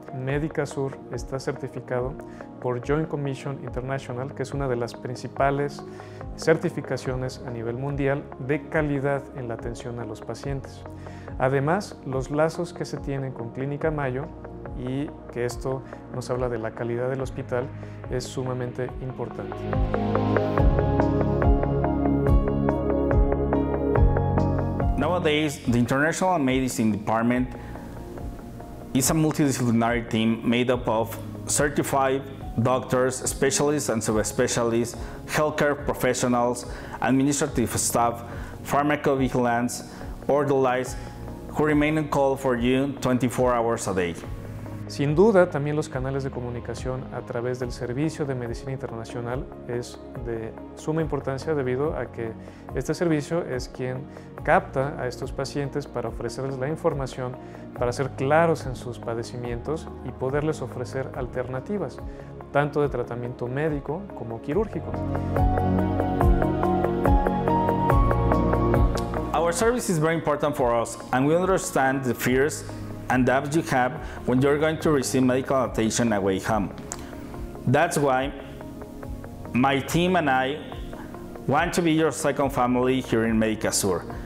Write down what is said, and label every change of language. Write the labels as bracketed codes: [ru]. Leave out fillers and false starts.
[es] MedicaSur está certificado por Joint Commission International, que es una de las principales certificaciones a nivel mundial de calidad en la atención a los pacientes. Además, los lazos que se tienen con Clínica Mayo, y que esto nos habla de la calidad del hospital, es sumamente importante. [en] Nowadays, the International Medicine Department is a multidisciplinary team made up of certified doctors, specialists and subspecialists, healthcare professionals, administrative staff, pharmacovigilance, orderlies, who remain on call for you 24 hours a day. [es] Sin duda, también los canales de comunicación a través del Servicio de Medicina Internacional es de suma importancia, debido a que este servicio es quien capta a estos pacientes para ofrecerles la información, para ser claros en sus padecimientos y poderles ofrecer alternativas, tanto de tratamiento médico como quirúrgico. [en] Our service is very important for us, and we understand the fears and doubts you have when you're going to receive medical attention away home. That's why my team and I want to be your second family here in MedicaSur.